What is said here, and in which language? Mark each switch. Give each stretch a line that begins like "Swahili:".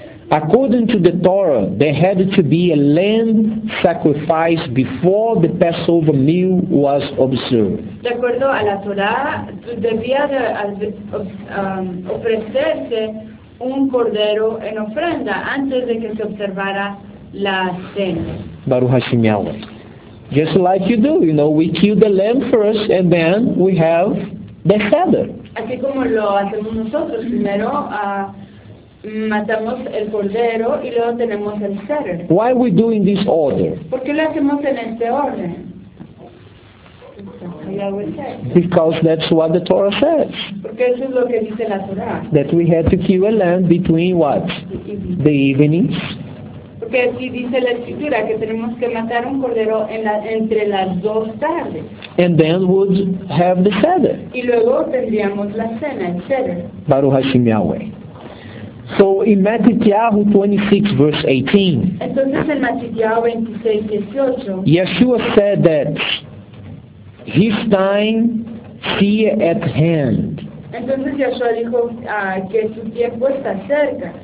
English: According to the Torah, there had to be a lamb sacrifice before the Passover meal was observed.
Spanish: De acuerdo a la Torah, debía de ofrecerse un cordero en ofrenda antes de que se observara la cena.
Hebrew: Baruch Hashem Yahweh.
English: Just like you do, you know, we kill the lamb first and then we have the cheder.
Spanish: Así como lo hacemos nosotros, primero matamos el cordero y luego tenemos el cheder.
English: Why are we doing this order?
Spanish: ¿Por qué lo hacemos en este orden?
English: Because that's what the Torah says.
Spanish: Porque eso es lo que dice la Torah.
English: That we had to kill a lamb between what? The evenings.
Spanish: Porque así dice la Escritura que tenemos que matar un cordero entre las dos tardes.
English: And then would have the cheder.
Spanish: Y luego tendríamos la cena, el cheder.
Hebrew: Baruch Hashem Yahweh.
English: So in Matthew 26 verse 18.
Spanish: Entonces en Matthew 26:18.
English: Yeshua said that His time here at hand.
Spanish: Entonces Yeshua dijo que su tiempo está cerca.